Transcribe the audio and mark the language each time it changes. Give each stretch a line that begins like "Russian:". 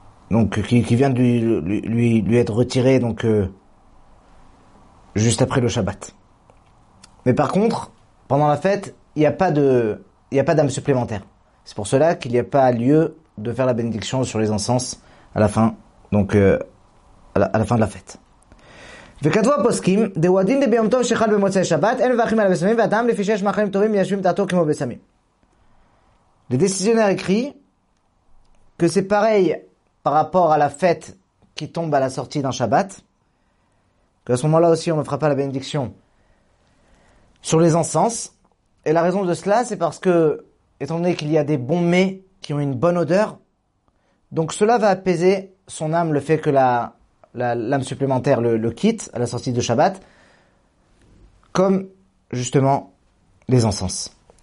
French: donc qui vient de lui être retiré donc juste après le Shabbat. Mais par contre, pendant la fête, il y a pas d'âme supplémentaire. C'est pour cela qu'il n'y a pas lieu de faire la bénédiction sur les encens à la fin, donc à la fin de la fête.
Hebrew: וכתבו הפוסקים, דהו הדין דה ביום טוב שחל במוצאי שבת, אין מברכים על הבשמים, ואדם לפי שיש מאכלים טובים מיישבים דעתו כמו בשמים.
French: Le décisionnaire écrit que c'est pareil par rapport à la fête qui tombe à la sortie d'un Shabbat, qu'à ce moment-là aussi on ne fera pas la bénédiction sur les encens, et la raison de cela c'est parce que, étant donné qu'il y a des bons mets qui ont une bonne odeur, donc cela va apaiser son âme, le fait que l'âme supplémentaire le quitte à la sortie de Shabbat, comme justement les encens.